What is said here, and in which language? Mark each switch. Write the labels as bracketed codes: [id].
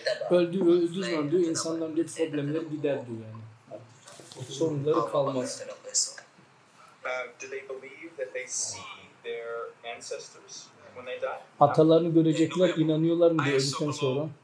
[tr] Öldüğü zaman diyor insanların diyor problemleri gider diyor yani. Sorunları kalmaz. [en] Do they believe that they see their ancestors when they die? [tr] Atalarını görecekler, inanıyorlar mı öldükten sonra?